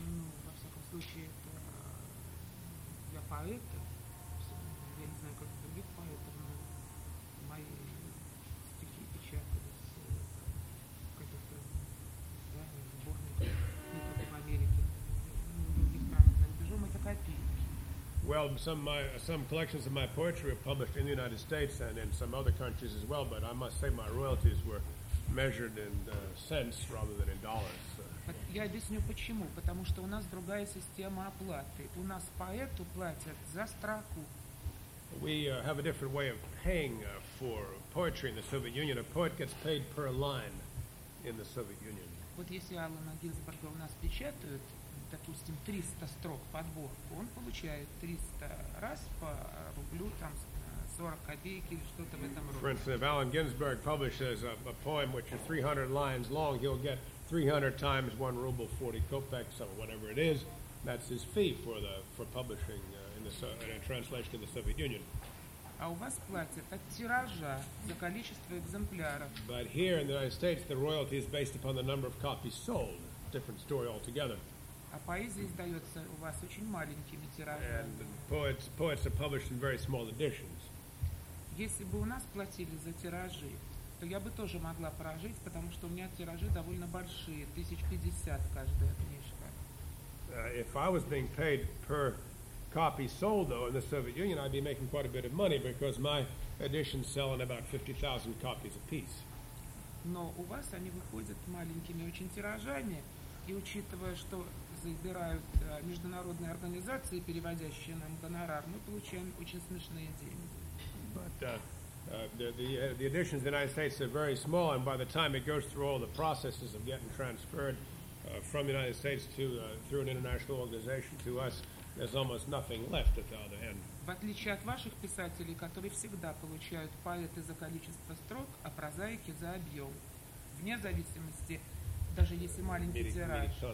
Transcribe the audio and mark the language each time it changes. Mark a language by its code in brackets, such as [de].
[ru] Ну, во всяком случае, это для поэта. Я не знаю, как других поэтов, но мои стихи печатались в каких-то сборниках, не только в Америке, но и в других странах. За рубежом это копии. [en] Well, some collections of my poetry were published in the United States and in some other countries as well, but I must say my royalties were measured in cents rather than in dollars. [ru] Я объясню почему. Потому что у нас другая система оплаты. У нас поэту платят за строку. [en] We have a different way of paying for poetry in the Soviet Union. A poet gets paid per line in the Soviet Union. [ru] Вот если Аллена Гинзбурга у нас печатают, допустим, 300 строк подборку, он получает 300 раз по рублю, там, 40 копеек или что-то в этом роде. [en] For instance, if Allen Ginsberg publishes a poem which is 300 lines long, he'll get 300 times 1 ruble 40 kopecks or whatever it is. That's his fee for publishing in a translation in the Soviet Union. [ru] А у вас платят от тиража за количество экземпляров. [en] But here in the United States, the royalty is based upon the number of copies sold. Different story altogether. [ru] А поэзия издается у вас очень маленькими тиражами. [en] And poets are published in very small editions. [ru] Если бы у нас платили за тиражи, то я бы тоже могла прожить, потому что у меня тиражи довольно большие, 1050 каждая книжка. [en] If I was being paid per copy sold, though, in the Soviet Union, I'd be making quite a bit of money because my editions sell in about 50,000 copies apiece. [ru] Но у вас они выходят маленькими очень тиражами, и учитывая, что забирают международные организации, переводящие нам гонорар, мы получаем очень смешные деньги. [en] But the editions in the United States are very small, and by the time it goes through all the processes of getting transferred from the United States to through an international organization to us, there's almost nothing left at the other end. [ru] В отличие от ваших писателей, которые всегда получают поэты за количество строк, а прозаики за объем, вне зависимости, даже если маленький тираж.